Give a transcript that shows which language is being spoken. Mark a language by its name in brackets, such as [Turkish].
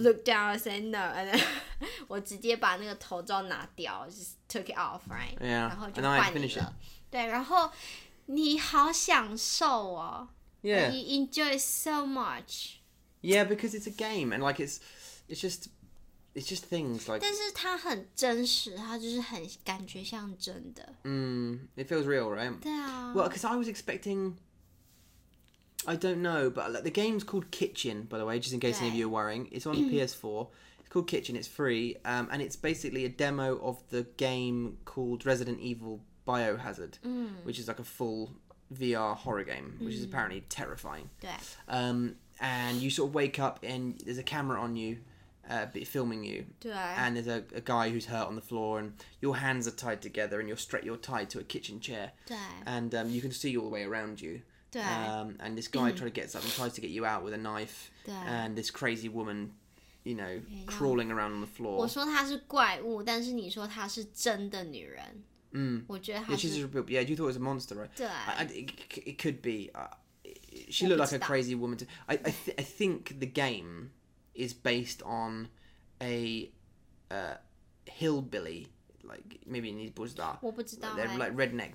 [English] looked down and said no, and then [Chinese] 我直接把那个头罩拿掉 [English] just took it off, right? Yeah, [Chinese] 然后就换你了 [English] and I finished it. [Chinese] 对，然后你好享受哦 [English] Yeah. You enjoy so much. Yeah, because it's a game, and like it's just things like... [Chinese] 但是它很真实，它就是很感觉像真的。 [English] It feels real, right? [Chinese] 对啊。 [English] Well, because I was expecting... I don't know, but the game's called Kitchen, by the way, just in case any of you are worrying. It's on PS4. It's called Kitchen. It's free. And it's basically a demo of the game called Resident Evil Biohazard, which is like a full VR horror game, which is apparently terrifying. And you sort of wake up and there's a camera on you, filming you. And there's a guy who's hurt on the floor and your hands are tied together and you're tied to a kitchen chair. And you can see all the way around you. And this guy tries to get you out with a knife. And this crazy woman, you know, crawling around on the floor. [Chinese] 我说她是怪物，但是你说她是真的女人。我觉得她是。 [English] Yeah, you thought it was a monster, right? [Chinese] 对。 [English] It could be. She looked like a crazy woman. I think the game is based on a hillbilly. like maybe in these bush that. [Chinese] 我不知道, [English] they're like redneck.